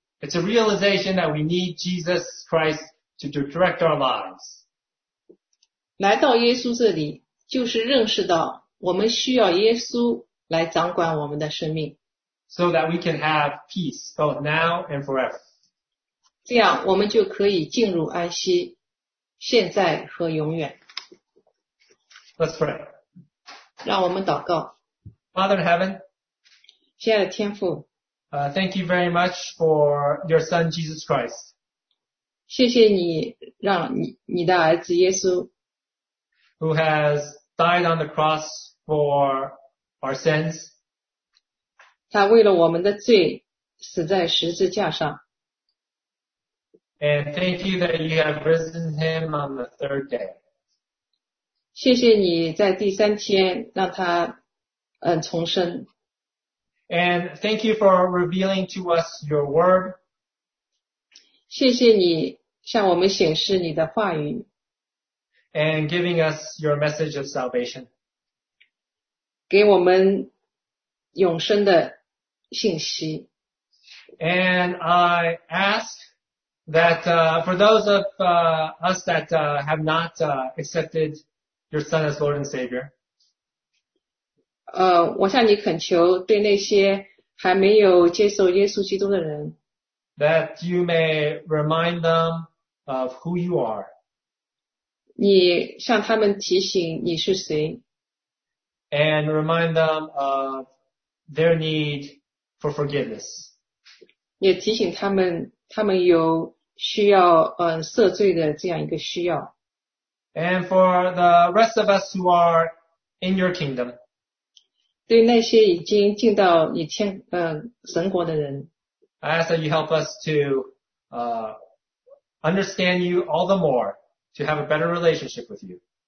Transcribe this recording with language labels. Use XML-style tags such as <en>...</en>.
<en>It's a realization that we need Jesus Christ to direct our lives.</en> <zh>来到耶稣这里，就是认识到我们需要耶稣来掌管我们的生命。</zh> <en>So that we can have peace both now and forever.</en> <zh>这样我们就可以进入安息，现在和永远。</zh> <en>Let's pray.</en> <zh>让我们祷告。</zh> <en>Father in heaven,</en> <zh>亲爱的天父,</zh> <en>thank you very much for your son Jesus Christ.</en> <zh>谢谢你让你的儿子耶稣,</zh> <en>who has died on the cross for our sins.</en> <zh>他为了我们的罪死在十字架上。</zh> <en>And thank you that you have risen him on the third day.</en> <zh>谢谢你在第三天让他重生。</zh> <en>And thank you for revealing to us your word.</en> <zh>谢谢你向我们显示你的话语。</zh> <en>And giving us your message of salvation.</en> <zh>给我们永生的信息。</zh> <en>And I ask that for those of us that have not accepted your son as Lord and Savior.</en> <zh>我向你恳求对那些还没有接受耶稣基督的人。</zh> <en>That you may remind them of who you are.</en> <zh>你向他们提醒你是谁。</zh> <en>And remind them of their need for forgiveness.</en> <zh>也提醒他们，他们有需要，赦罪的这样一个需要。</zh> <en>And for the rest of us who are in your kingdom.</en> <zh>对那些已经进到你天，神国的人。</zh> <en>I ask that you help us to, understand you all the more to have a better relationship with you.</en>